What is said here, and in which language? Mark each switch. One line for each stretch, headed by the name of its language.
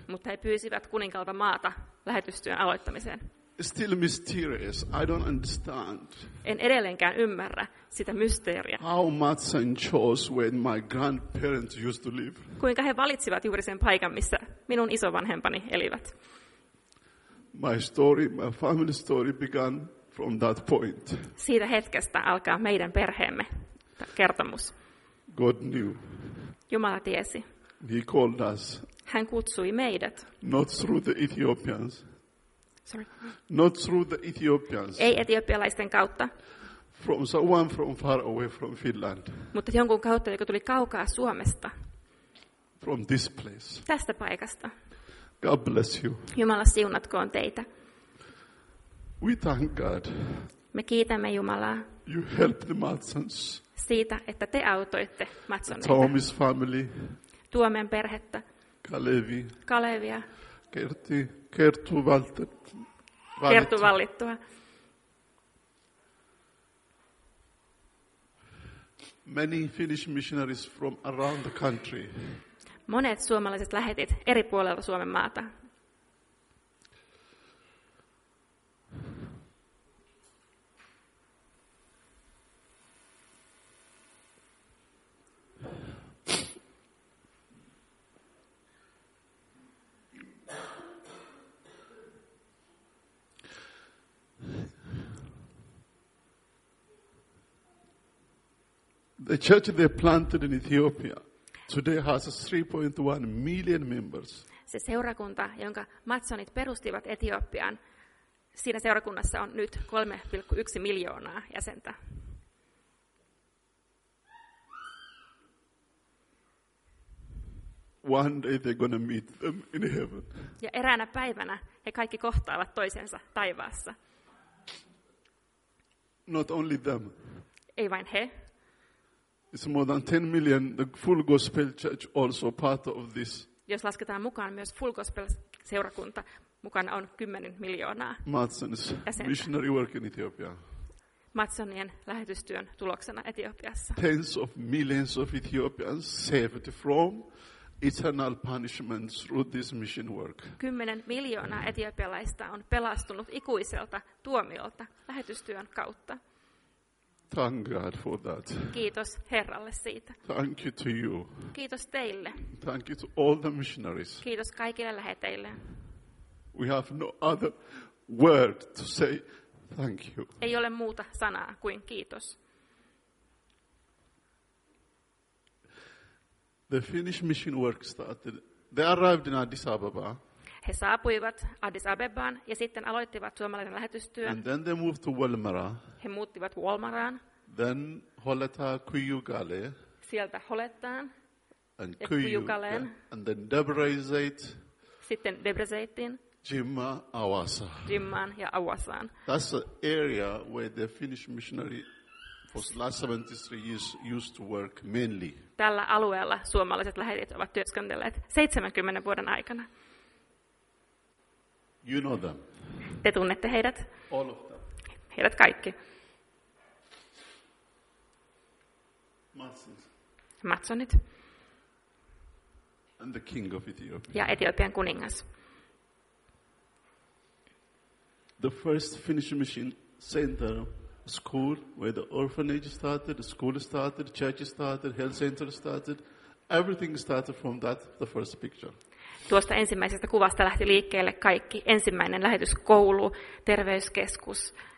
Finnish: Mutta he pyysivät kuninkaalta maata lähetystyön aloittamiseen.
English: Still mysterious. I don't understand.
Finnish: En edelleenkään ymmärrä sitä mysteeriä.
English: How Madsen chose where my grandparents used to live.
Finnish: Kuinka he valitsivat juuri sen paikan, missä minun isovanhempani elivät.
English: My story, my family story began from that point.
Finnish: Siitä hetkestä alkaa meidän perheemme kertomus.
English: God knew.
Finnish: Jumala tiesi.
English: He called us.
Finnish: Hän kutsui meidät.
English: Not through the Ethiopians. Sorry. Not through the Ethiopians.
Finnish: Ei etiopialaisten kautta.
English: From someone from far away from Finland.
Finnish: Mutta jonkun kautta, joka tuli kaukaa Suomesta.
English: From this place.
Finnish: Tästä paikasta.
English: God bless you.
Finnish: Jumala siunatkoon teitä.
English: We thank God.
Finnish: Me kiitämme Jumalaa.
English: You helped the Madsens.
Finnish: Siitä, että te autoitte Madsenia.
English: Tuomin family.
Finnish: Tuomen perhettä.
English: Kalevi.
Finnish: Kalevia.
English: Kerttu
Finnish: vallittua.
English: Many Finnish missionaries from around the country.
Finnish: Monet suomalaiset lähetit eri puolilta Suomen maata.
English: The church they planted in Ethiopia today has 3.1 million members.
Finnish: Se seurakunta, jonka Matsonit perustivat Etiopiaan, siinä seurakunnassa on nyt 3,1 miljoonaa jäsentä.
English: One day they're gonna meet them in heaven.
Finnish: Ja eräänä päivänä he kaikki kohtaavat toisensa taivaassa.
English: Not only them.
Finnish: Ei vain he.
English: It's more than 10 million. The full gospel church also part of this.
Finnish: Jos lasketaan mukaan myös full gospel seurakunta, mukana on 10 miljoonaa.
English: Matson's
Finnish: jäsentä.
English: Missionary work in Ethiopia.
Finnish: Matsonien lähetystyön tuloksena Etiopiassa.
English: Tens of millions of Ethiopians saved from eternal punishment through this mission work.
Finnish: 10 miljoonaa etiopialaista on pelastunut ikuiselta tuomiolta lähetystyön kautta.
English: Thank God for that.
Finnish: Kiitos Herralle siitä.
English: Thank you to you.
Finnish: Kiitos teille.
English: Thank you to all the missionaries.
Finnish: Kiitos kaikille läheteille.
English: We have no other word to say thank you.
Finnish: Ei ole muuta sanaa kuin kiitos.
English: The Finnish mission work started. They arrived in Addis Ababa.
Finnish: He saapuivat Addis Abebaan ja sitten aloittivat suomalaisen lähetystyön.
English: And then they moved to Wolmara.
Finnish: He muuttivat Wolmaraan.
English: Then Holetaa Kujugale.
Finnish: Sieltä Holettaan.
English: And Kujugaleen. And then Debrezate.
Finnish: Sitten Debrezatein.
English: Jimma Awasa.
Finnish: Jimman ja Awasaan.
English: That's the area where the Finnish missionary for the last 73 years used to work mainly.
Finnish: Tällä alueella suomalaiset lähetit ovat työskennelleet 70 vuoden aikana.
English: You know them.
Finnish: Te tunnette heidät.
English: All of them.
Finnish: Heidät kaikki.
English: Matsonit. And the king of Ethiopia.
Finnish: Ja Etiopian kuningas.
English: The first Finnish mission center, school where the orphanage started, the school started, church started, health center started. Everything started from that, the first picture.
Finnish: Tuosta ensimmäisestä kuvasta lähti liikkeelle kaikki. Ensimmäinen lähetyskoulu, terveyskeskus.